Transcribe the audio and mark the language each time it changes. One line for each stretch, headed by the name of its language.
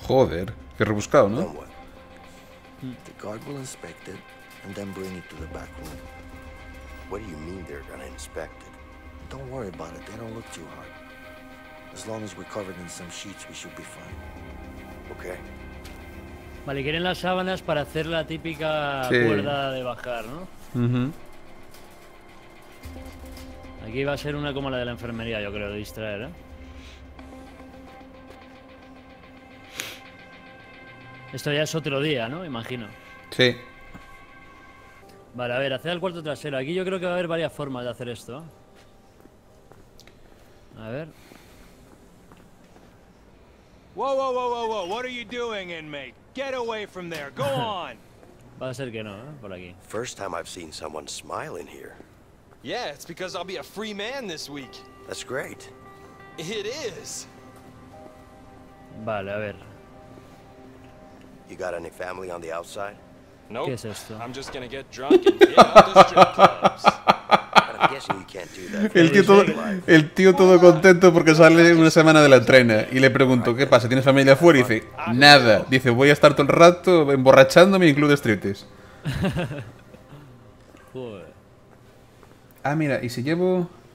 Spanish: Joder, qué rebuscado, ¿no?
English: Then what? The guard will inspect it and then bring it to the back room. What do you mean they're gonna inspect it? Don't worry about it. They don't look too hard. As long as we're covered in some sheets, we should be fine. Okay.
Spanish: Vale, quieren las sábanas para hacer la típica cuerda de bajar, ¿no? Aquí va a ser una como la de la enfermería, yo creo, de distraer, ¿eh? Esto ya es otro día, ¿no? Imagino. Sí. Vale, a ver, hacer el cuarto trasero. Aquí yo creo que va a haber varias formas de hacer esto. A ver.
English: Whoa. What are you doing, inmate? Get away from there. Go on.
Spanish: Va a ser que no, ¿eh? Por aquí.
English: First time I've seen someone smile in here. Yeah, it's because I'll be a free man this week. That's great. It is.
Spanish: Vale, a ver.
English: You got any family on the outside? Nope.
Spanish: ¿Qué es esto?
English: I'm just gonna get drunk and get out of strip clubs. But I'm guessing you can't do that.
Spanish: El tío todo contento porque sale una semana de la entrena y le pregunto, ¿qué pasa? ¿Tienes familia afuera? Y dice, nada. Dice, voy a estar todo el rato emborrachándome en club de striptease. Joder. Ah, mira, y si llevo...